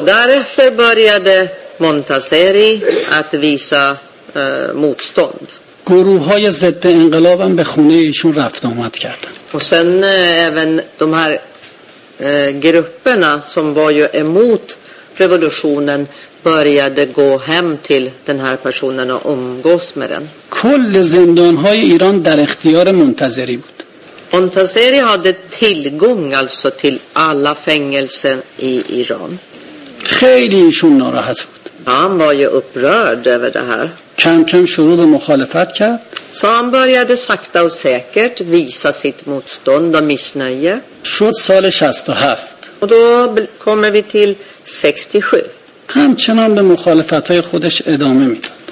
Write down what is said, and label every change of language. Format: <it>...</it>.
<sv>därefter började Montazeri att visa motstånd.</sv> <fa>گروه‌های ضد انقلاب هم به خونه ایشون رفت آمد کردن.</fa> <sv>و sen även de här grupperna som var ju emot revolutionen började gå hem till den här personen och umgås med den.</sv> <fa>کل زندان‌های ایران در اختیار منتظری بود.</fa> <sv>منتظری hade tillgång alltså till alla fängelser i Iran.</sv> <fa>خیلی ایشون ناراحت بود.</fa> <sv>Han var ju upprörd över det här.</sv> <fa>کم کم شروع به مخالفت کرد.</fa> <sv>Så han började sakta och säkert visa sitt motstånd och missnöje.</sv> <fa>شد سال 67.</fa> <sv>Och då kommer vi till 67.</sv> <fa>همچنان به مخالفت‌های خودش ادامه میداد.</fa>